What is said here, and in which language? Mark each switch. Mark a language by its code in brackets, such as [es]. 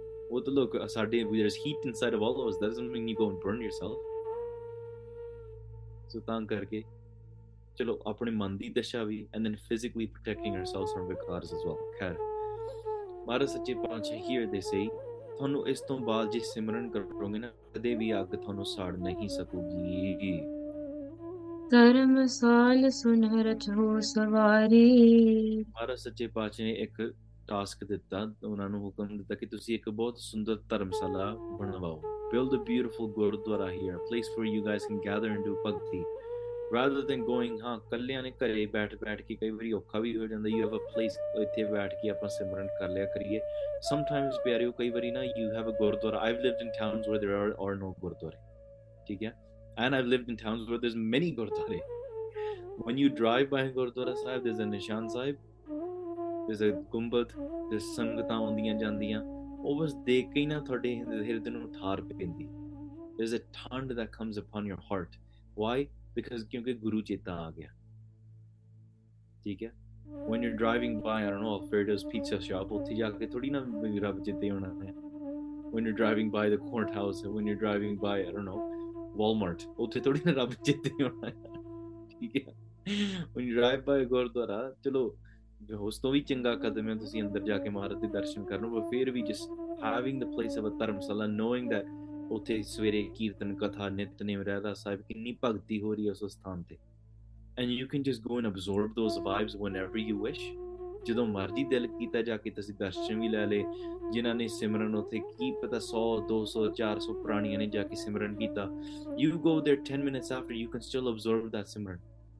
[en] There's heat inside of all of us. That doesn't mean you go and burn yourself. So, [pa] chalo, apne man di dasha vi, [en] and then physically protecting ourselves from vikars as well. [pa] ਮਹਾਰਾਜ ਸੱਚੇ ਪਾਤਸ਼ਾਹ ਹੀਰ ਦੇ ਸਹੀ, ਤੁਹਾਨੂੰ ਇਸ ਤੋਂ ਬਾਅਦ ਜੇ ਸਿਮਰਨ ਕਰੋਗੇ ਨਾ, ਕਦੇ ਵੀ ਅੱਗ ਤੁਹਾਨੂੰ ਸਾੜ ਨਹੀਂ ਸਕੂਗੀ। ਧਰਮ ਸਾਲ ਸੁਨਹਿਰ ਜੋ ਸਵਾਰੀ। ਮਹਾਰਾਜ ਸੱਚੇ ਪਾਤਸ਼ਾਹ ਨੇ ਇੱਕ ਟਾਸਕ ਦਿੱਤਾ, ਉਹਨਾਂ ਨੂੰ ਹੁਕਮ ਦਿੱਤਾ ਕਿ ਤੁਸੀਂ ਇੱਕ ਬਹੁਤ ਸੁੰਦਰ ਧਰਮਸ਼ਾਲਾ ਬਣਵਾਓ। [en] Build a beautiful gurdwara here, place for you guys can gather and do bhakti rather than going. [pa] ਹਾਂ, ਇਕੱਲਿਆਂ ਨੇ ਘਰੇ ਬੈਠ ਬੈਠ ਕੇ ਕਈ ਵਾਰੀ ਔਖਾ ਵੀ ਹੋ ਜਾਂਦਾ। [en] you have a place, [pa] ਇੱਥੇ ਬੈਠ ਕੇ ਆਪਾਂ ਸਿਮਰਨ ਕਰ ਲਿਆ ਕਰੀਏ। [en] sometimes [pa] ਪਿਆਰੇ ਹੋ, ਕਈ ਵਾਰੀ ਨਾ [en] You have a gurdwara. I've lived in towns where there are no ਗੁਰਦੁਆਰੇ, [pa] ਠੀਕ ਹੈ, [en] And I've lived in towns where there is many ਗੁਰਦੁਆਰੇ। When you drive by Gurdwara Sahib, there's a Nishan Sahib, there's a Gumbad, there's Sangata Andiyan Jandiyan. Always [pa] dekhina thode hirdan nu thar pindi. [en] There's a thand that comes upon your heart. Why? Because [pa] kyunki Guru Cheta aa gaya. Theek hai? [en] When you're driving by, I don't know, Alfredo's Pizza Shop, [pa] utthe ja ke thodi na rab jitte hona hai. [en] When you're driving by the Court House, when you're driving by, I don't know, Walmart, [pa] utthe thodi na rab jitte hona hai. Theek hai? [en] When you drive by a Gurdwara, [pa] chalo ਉਸ ਤੋਂ ਵੀ ਚੰਗਾ ਕਦਮ ਹੈ ਤੁਸੀਂ ਅੰਦਰ ਜਾ ਕੇ ਮਹਾਰਾਜ ਦੇ ਦਰਸ਼ਨ ਕਰਨ ਬਟ ਫਿਰ ਵੀ [en] just having the place of a dharamshala knowing that [pa] ਉੱਥੇ ਸਵੇਰੇ ਕੀਰਤਨ ਕਥਾ ਨਿਤਨੇਮ ਰਹਿਦਾ ਸਾਹਿਬ ਕਿੰਨੀ ਭਗਤੀ ਹੋ ਰਹੀ ਹੈ ਉਸ ਸਥਾਨ ਤੇ [en] and you can just go and absorb those vibes whenever you wish [pa] ਜਦੋਂ ਮਰਜ਼ੀ ਦਿਲ ਕੀਤਾ ਜਾ ਕੇ ਤੁਸੀਂ ਦਰਸ਼ਨ ਵੀ ਲੈ ਲਏ ਜਿਨ੍ਹਾਂ ਨੇ ਸਿਮਰਨ ਉੱਥੇ ਕੀ ਪਤਾ 100, 200, 400 ਪੁਰਾਣੀਆਂ ਨੇ ਜਾ ਕੇ ਸਿਮਰਨ ਕੀਤਾ [en] you go there 10 minutes after you can still absorb that simran